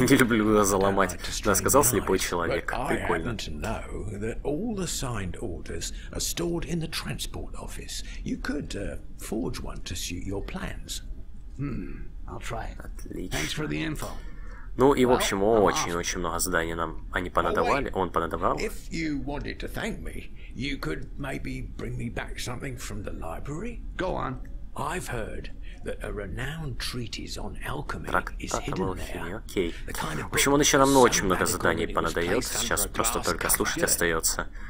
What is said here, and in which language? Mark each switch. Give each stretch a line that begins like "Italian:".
Russian: Не люблю глаза заломать. Да, сказал слепой человек. Прикольно.
English: I happen to know that all the signed orders are stored in the transport office. You could forge one to suit your plans. I'll try.
Russian: Отлично.
English: Thanks for the info.
Russian: Ну и, в общем, очень-очень много заданий нам они понадавали, он понадавал.
English: If you wanted to thank me, you could maybe bring me back something from the library? Go on. I've heard that a renowned treatise on alchemy is hidden there.
Russian: Окей. В общем, он еще нам очень много заданий понадает. Сейчас просто только слушать остается.